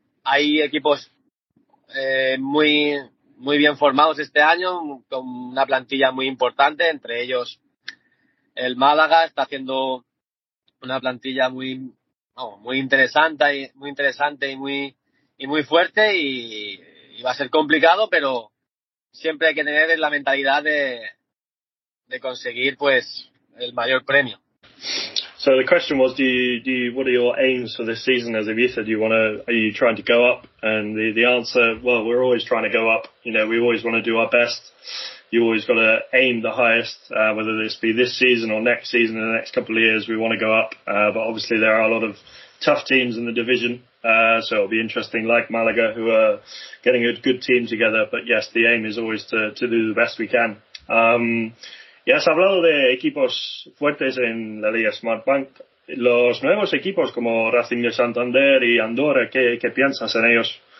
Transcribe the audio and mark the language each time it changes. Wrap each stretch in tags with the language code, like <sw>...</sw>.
<es>Hay equipos muy, muy bien formados este año, con una plantilla muy importante, entre ellos el Málaga está haciendo una plantilla muy interesante y muy fuerte y va a ser complicado, pero siempre hay que tener la mentalidad de conseguir pues el mayor premio.</es> <en>So the question was, do you, what are your aims for this season as Ibiza? Do you want to, are you trying to go up? And the answer, well, we're always trying to go up. You know, we always want to do our best. You always got to aim the highest, whether this be this season or next season, in the next couple of years, we want to go up. But obviously there are a lot of tough teams in the division. So it'll be interesting, like Malaga, who are getting a good team together. But yes, the aim is always to do the best we can.</en> <es>Ya has hablado de equipos fuertes en la Liga Smart Bank. Los nuevos equipos como Racing de Santander y Andorra, ¿qué piensas en ellos?</es>